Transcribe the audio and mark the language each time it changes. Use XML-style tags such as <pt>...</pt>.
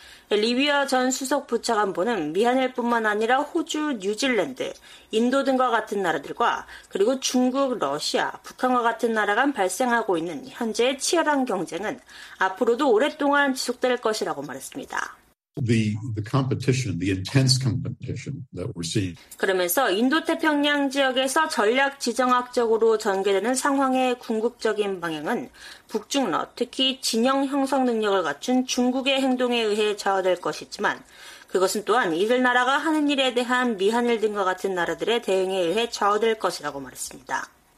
<ko>리비아 전 수석 부차관보는 미한일뿐만 아니라 호주, 뉴질랜드, 인도 등과 같은 나라들과 그리고 중국, 러시아, 북한과 같은 나라 간 발생하고 있는 현재의 치열한 경쟁은 앞으로도 오랫동안 지속될 것이라고 말했습니다.</ko> <en>The competition, the intense competition that we're seeing.</en> <ko>그러면서 인도태평양 지역에서 전략 지정학적으로 전개되는 상황의 궁극적인 방향은 북중러, 특히 진영 형성 능력을 갖춘 중국의 행동에 의해 좌우될 것이지만 그것은 또한 이들 나라가 하는 일에 대한 미한일 등과 같은 나라들의 대응에 의해 좌우될 것이라고 말했습니다.</ko>